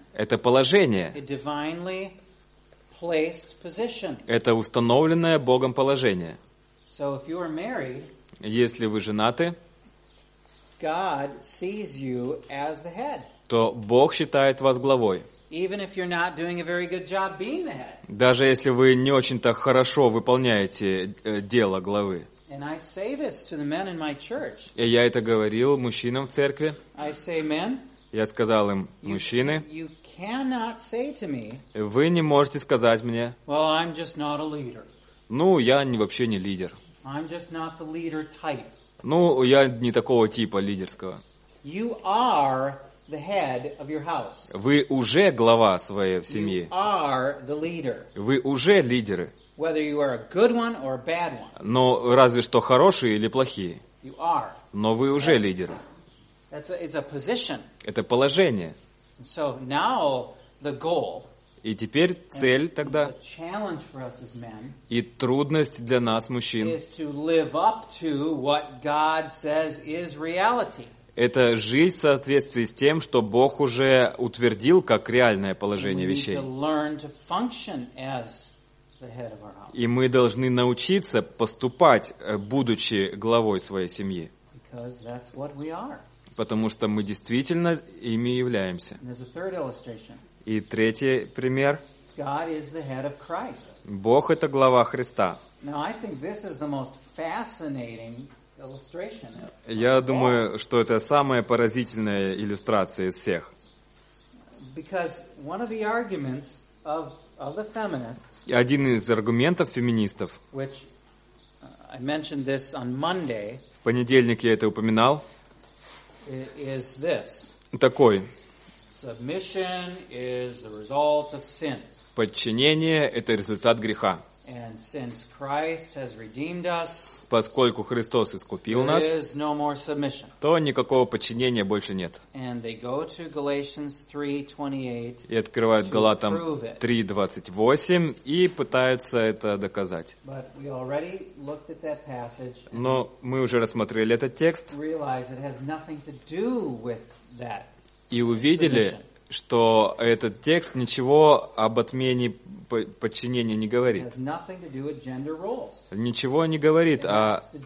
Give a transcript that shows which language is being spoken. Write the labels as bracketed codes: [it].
[ru] Это положение. [en] A divinely placed position. [ru] Это установленное Богом положение. [en] So if you are married, [ru] если вы женаты, [en] God sees you as the head. [ru] То Бог считает вас главой. [en] Even if you're not doing a very good job being the head. [ru] Даже если вы не очень-то хорошо выполняете дело главы. [en] And I say this to the men in my church. [ru] И я это говорил мужчинам в церкви. [en] I say, men. [ru] Я сказал им, мужчины. [en] You cannot say to me. [ru] Вы не можете сказать мне. [en] Well, I'm just not a leader. [ru] Ну, я вообще не лидер. [en] I'm just not the leader type. [ru] Ну, я не такого типа лидерского. [en] You are the head of your house. [ru] Вы уже глава своей семьи. [en] You are the leader. [ru] Вы уже лидеры. [en] Whether you are a good one or a bad one. [ru] Но разве что хорошие или плохие. [en] You are. [ru] Но вы уже лидеры. [en] It's a position. [ru] Это положение. [en] So now the goal. [ru] И теперь цель тогда, [en] challenge for us as men, [ru] и трудность для нас, мужчин, [en] is to live up to what God says is reality. [ru] Это жить в соответствии с тем, что Бог уже утвердил как реальное положение вещей. [en] We need to learn to function as the head of our house. [ru] И мы должны научиться поступать, будучи главой своей семьи. [en] Because that's what we are. [ru] Потому что мы действительно ими являемся. [en] And there's a third illustration. [ru] И третий пример. [en] God is the head of Christ. [ru] Бог — это глава Христа. [en] Now, I think this is the most fascinating illustration. [ru] Я думаю, что это самая поразительная иллюстрация из всех. [en] Because one of the arguments of the feminists, [ru] и один из аргументов феминистов, [en] which I mentioned this on Monday, [ru] в понедельник я это упоминал, [en] is this. [ru] Такой. [en] Submission is the result of sin. [ru] Подчинение — это результат греха. [en] And since Christ has redeemed us, [ru] поскольку Христос искупил нас, [en] there is no more submission. [ru] То никакого подчинения больше нет. [en] And they go to Galatians 3:28 [ru] и открывают Галатам 3:28 и пытаются это доказать. [en] But we already looked at that passage. [ru] Но мы уже рассмотрели этот текст. [en] Realize it has nothing to do with that. [ru] И увидели, что этот текст ничего об отмене подчинения не говорит. Ничего не говорит о...